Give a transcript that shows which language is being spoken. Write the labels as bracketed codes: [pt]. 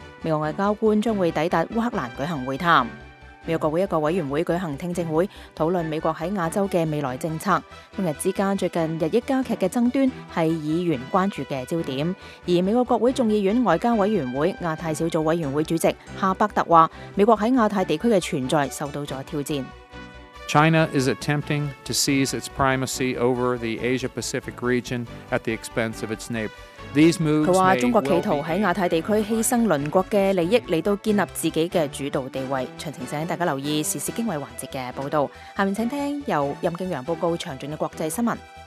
[zh] 美国外交官将会抵达乌克兰举行会谈。美国国会一个委员会举行听证会，讨论美国在亚洲的未来政策。中日之间最近日益加剧的争端是议员关注的焦点。而美国国会众议院外交委员会亚太小组委员会主席夏伯特说，美国在亚太地区的存在受到了挑战。 [en] China is attempting to seize its primacy over the Asia-Pacific region at the expense of its neighbor. These moves. [zh] 他说中国企图在亚太地区牺牲邻国的利益来到建立自己的主导地位。详情请大家留意时事经纬环节的报道。下面请听由任敬阳报告详尽的国际新闻。